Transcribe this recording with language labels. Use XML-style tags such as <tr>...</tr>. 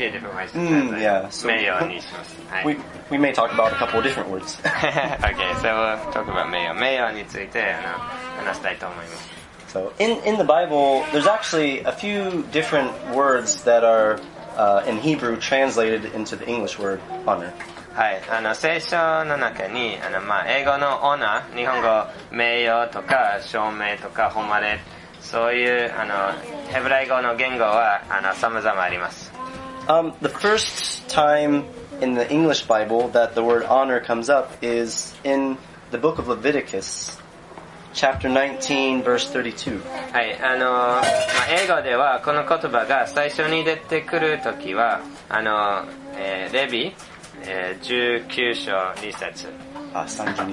<en>Yeah, so we may talk about a couple of different words. Okay, so we'll talk about</en> <ja>名誉について話したいと思います。</ja> <en>So in the Bible, there's actually a few different words that are in Hebrew translated into the English word honor.</en> <ja>はい、あの聖書の中にあのまあ英語の honor、日本語名誉とか証明とか誉れ、そういうあのヘブライ語の言語はあの様々あります。</ja> <en>The first time in the English Bible that the word honor comes up is in the book of Leviticus, chapter 19, verse 32.</en> <ja>はい、あの、まあ、英語ではこの言葉が最初に出てくるときは、あの、レビ、19章2節。</ja>